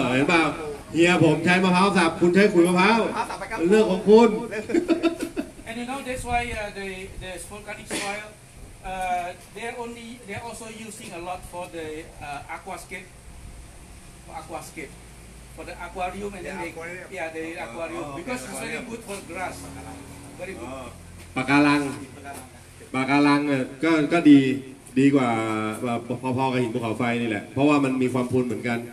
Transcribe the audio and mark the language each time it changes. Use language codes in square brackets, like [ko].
[th] มะพร้าวสับเห็นป่ะเฮียผมใช้มะพร้าวสับคุณใช้ขุยมะพร้าว เ รื่องของคุณ [en] and you know that's why the volcanic soilthey're also using a lot for the aquascape for the aquarium and then the aquarium because it's very good for grass very good [th] ปะการังก็ดีกว่าพอๆกับหินภูเขาไฟนี่แหละเพราะว่ามันมีความพูนเหมือนกัน